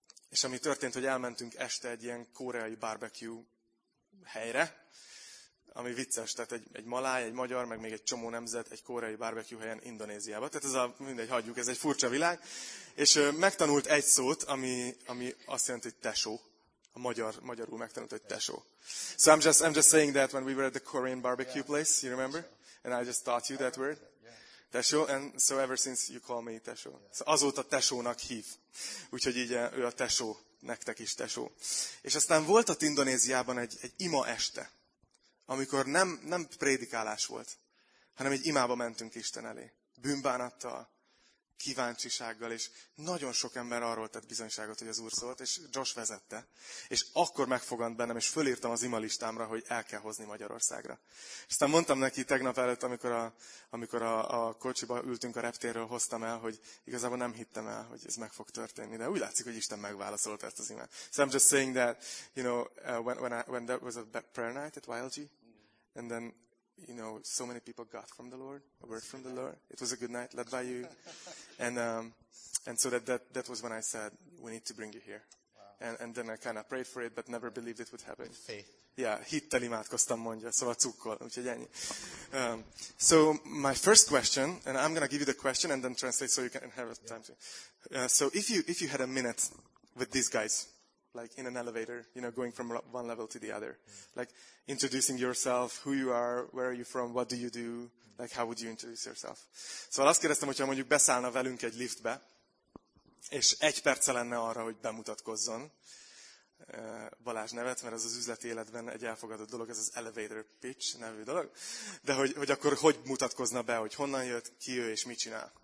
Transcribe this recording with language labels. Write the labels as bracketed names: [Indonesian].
[Hungarian] És ami történt, hogy elmentünk este egy ilyen koreai barbecue helyre, ami vicces, tehát egy maláj, egy magyar, meg még egy csomó nemzet egy koreai barbecue helyen Indonéziában. Tehát ez egy furcsa világ. És megtanult egy szót, ami azt jelenti, hogy tesó. A magyarul megtanult, hogy tesó. [English] So I'm just saying that when we were at the Korean barbecue place, you remember? And I just taught you that word. Tesó, and so ever since you call me tesó. [Hungarian] Szóval azóta tesónak hív. Úgyhogy így ő a tesó, nektek is tesó. És aztán volt ott Indonéziában egy ima este, amikor nem prédikálás volt, hanem egy imába mentünk Isten elé. Bűnbánattal, kíváncsisággal, és nagyon sok ember arról tett bizonyságot, hogy az Úr szólt, és Josh vezette. És akkor megfogant bennem, és fölírtam az ima listámra, hogy el kell hozni Magyarországra. Aztán mondtam neki tegnap előtt, amikor a kocsiba ültünk a reptérről, hoztam el, hogy igazából nem hittem el, hogy ez meg fog történni, de úgy látszik, hogy Isten megválaszolt ezt az imát. [English] So I'm just saying that, you know, when there was a prayer night at YLG, and then, you know, so many people got from the Lord, a word from the Lord. It was a good night led by you. And so that was when I said, we need to bring you here. Wow. And then I kind of prayed for it, but never believed it would happen. Faith. [Hungarian] Yeah, hittel imádkoztam, mondja, szóval cukkol, úgyhogy ennyi. [English] So my first question, and I'm going to give you the question and then translate so you can have a time. So if you had a minute with these guys, like in an elevator, you know, going from one level to the other, like introducing yourself, who you are, where are you from, what do you do, like how would you introduce yourself? [Hungarian] Szóval azt kérdeztem, hogyha mondjuk beszállna velünk egy liftbe, és egy perce lenne arra, hogy bemutatkozzon, Balázs nevet, mert ez az üzleti életben egy elfogadott dolog, ez az elevator pitch nevű dolog, de hogy akkor hogy mutatkozna be, hogy honnan jött, ki ő és mit csinál.